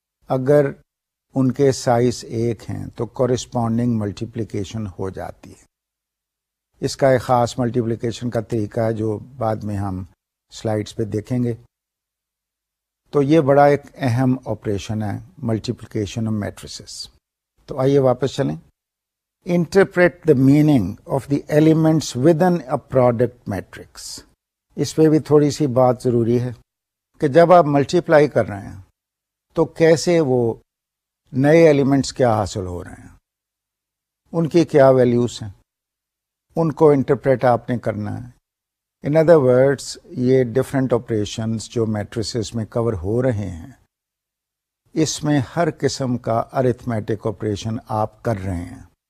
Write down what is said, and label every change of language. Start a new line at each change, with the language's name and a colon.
Urdu: اگر ان کے سائز ایک ہیں تو کورسپونڈنگ ملٹیپلیکیشن ہو جاتی ہے. اس کا ایک خاص ملٹیپلیکیشن کا طریقہ ہے جو بعد میں ہم سلائڈز پہ دیکھیں گے. تو یہ بڑا ایک اہم آپریشن ہے ملٹیپلیکیشن آف میٹریسز. تو آئیے واپس چلیں.
English: Interpret the meaning of the elements within a product matrix.
Urdu: اس پہ بھی تھوڑی سی بات ضروری ہے کہ جب آپ ملٹیپلائی کر رہے ہیں تو کیسے وہ نئے ایلیمنٹس کیا حاصل ہو رہے ہیں, ان کی کیا ویلیوز ہیں, ان کو انٹرپریٹ آپ نے کرنا ہے.
English: in other words
Urdu: یہ ڈفرینٹ آپریشنس جو میٹریسز میں کور ہو رہے ہیں اس میں ہر قسم کا ارتھمیٹک آپریشن آپ کر رہے ہیں.